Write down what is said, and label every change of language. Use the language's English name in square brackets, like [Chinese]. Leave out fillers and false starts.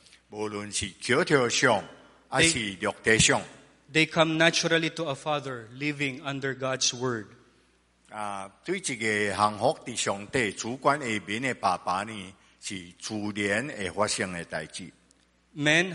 [Min Nan Chinese] 无论是口头上，还是肉体上。 [English] They come naturally to a father living under God's word. [Min Nan Chinese] 对一个幸福的上帝主管下面的爸爸呢，是自然会发生的代志。 [English] Men,